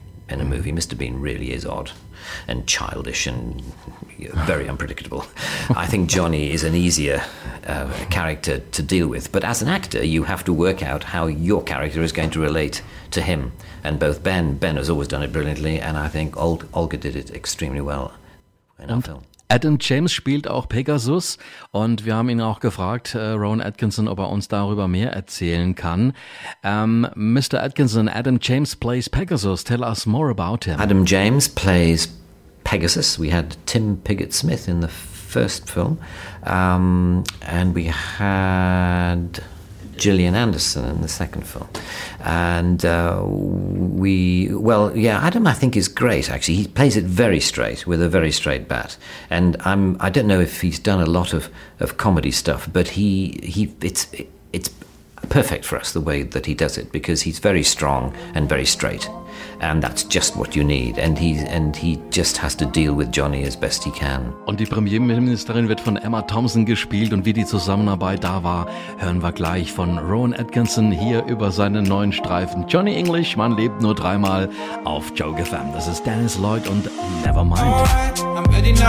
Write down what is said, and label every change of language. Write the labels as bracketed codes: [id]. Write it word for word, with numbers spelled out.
[en] In a movie, Mister Bean really is odd and childish and very unpredictable. I think Johnny is an easier uh, character to deal with. But as an actor, you have to work out how your character is going to relate to him. And both Ben, Ben has always done it brilliantly, and I think Old, Olga did it extremely well in our film. [de] Adam James spielt auch Pegasus, und wir haben ihn auch gefragt, äh, Rowan Atkinson, ob er uns darüber mehr erzählen kann. [en] Um, Mister Atkinson, Adam James plays Pegasus. Tell us more about him. Adam James plays Pegasus. We had Tim Piggott-Smith in the first film, um, and we had Gillian Anderson in the second film, and uh, we well yeah Adam I think is great, actually. He plays it very straight, with a very straight bat, and I'm I don't know if he's done a lot of, of comedy stuff, but he he it's it's perfect for us the way that he does it, because he's very strong and very straight, and that's just what you need, and he and he just has to deal with Johnny as best he can. [de] Und die Premierministerin wird von Emma Thompson gespielt, und wie die Zusammenarbeit da war, hören wir gleich von Rowan Atkinson hier über seinen neuen Streifen Johnny English, man lebt nur dreimal, auf Joke F M. Das ist Dennis Lloyd und Nevermind.